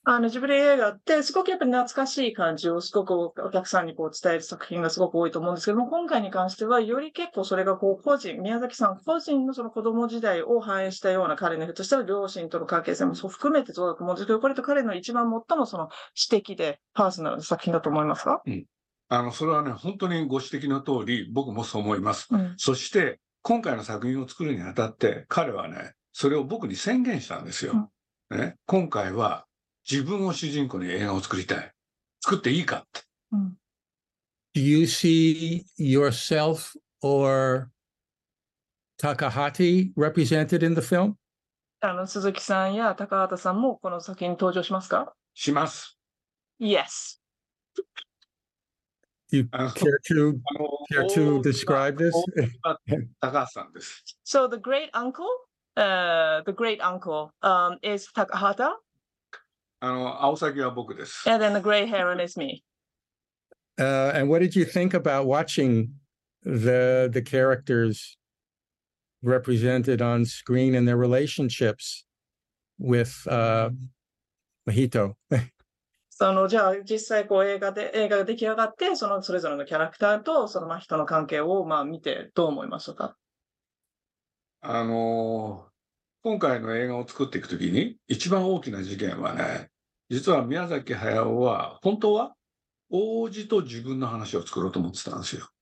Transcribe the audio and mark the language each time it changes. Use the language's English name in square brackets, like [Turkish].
[Japanese] ジブリ映画ってすごくやっぱり懐かしい感じをすごくお客さんにこう伝える作品がすごく多いと思うんですけども、今回に関してはより結構それがこう個人、宮崎さん個人のその子供時代を反映したような彼のふとした両親との関係性もそう含めてそうだと思うんですけど、これと彼の一番最もその私的でパーソナルな作品だと思いますか？うん。それはね、本当にご指摘の通り僕もそう思います。うん、そして今回の作品を作るにあたって彼はね、それを僕に宣言したんですよ。うん、ね、今回は自分を主人公に映画を作りたい。作っていいかって。うん、 [English] Do you see yourself or Takahata represented in the film? [Japanese] 鈴木さんや高畑さんもこの作品に登場しますか？します。 [English] Yes. You care to, care to describe this? [Japanese] 高畑さんです。 [English] So the great uncle, the great uncle, is Takahata? And then the gray heron is me. And what did you think about watching the characters represented on screen and their relationships with Mahito? [Japanese] じゃあ実際こう映画が出来上がって、そのそれぞれのキャラクターとその人の関係をまあ見てどう思いましたか？今回の映画を作っていくときに一番大きな事件はね、実は宮崎駿は本当は王子と自分の話を作ろうと思ってたんですよ。